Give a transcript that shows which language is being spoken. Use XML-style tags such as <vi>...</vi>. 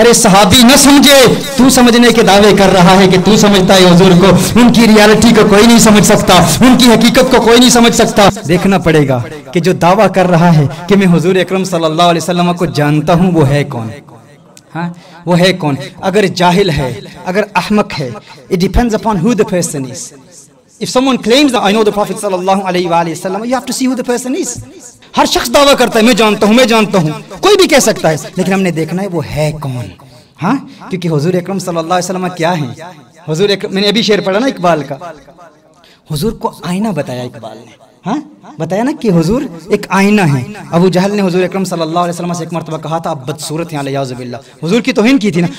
<ur>ارے صحابی نہ سمجھے, تو سمجھنے کے دعوے کر رہا ہے کہ تو سمجھتا ہے حضور کو, ان کی ریالٹی کو کوئی نہیں سمجھ سکتا, ان کی حقیقت کو کوئی نہیں سمجھ سکتا. دیکھنا پڑے گا کہ جو دعویٰ کر رہا ہے کہ میں حضور اکرم صلی اللہ علیہ وسلم کو جانتا ہوں وہ ہے کون. ہاں وہ ہے کون؟ اگر جاہل ہے, اگر احمق ہے,</ur> <en>It depends upon who the person is. If someone claims I know the prophet صلی اللہ علیہ وآلہ وسلم, you have to see who the person is.</en> <ur>ہر شخص دعویٰ کرتا ہے میں جانتا ہوں, میں جانتا ہوں, کوئی بھی کہہ سکتا ہے, لیکن ہم نے دیکھنا ہے وہ ہے کون. ہاں کیونکہ حضور اکرم صلی اللہ علیہ وسلم کیا ہیں؟ حضور اکرم, میں نے ابھی شعر پڑھا نا اقبال کا, حضور کو آئینہ بتایا اقبال نے. ہاں بتایا نا کہ حضور ایک آئینہ ہیں. ابو جہل نے حضور اکرم صلی اللہ علیہ وسلم سے ایک مرتبہ کہا تھا آپ بدصورت ہیں علیہ باللہ, حضور کی توہین کی تھی نا.</ur>